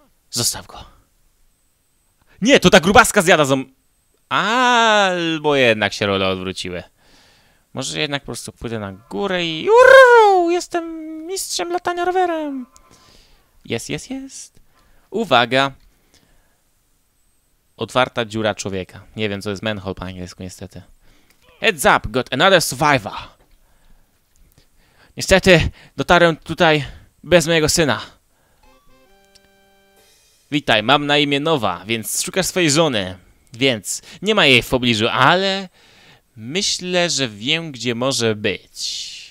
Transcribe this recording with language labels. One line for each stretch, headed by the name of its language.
Polish: Zostaw go. Nie, to ta grubaska zjada Albo jednak się role odwróciły. Może jednak po prostu pójdę na górę i... Jestem mistrzem latania rowerem! Jest. Uwaga! Otwarta dziura człowieka. Nie wiem, co jest manhole po angielsku, niestety.
English: Heads up, got another survivor!
Polish: Niestety, dotarłem tutaj bez mojego syna. Witaj, mam na imię Nova, więc szukasz swojej żony. Więc nie ma jej w pobliżu, ale myślę, że wiem, gdzie może być.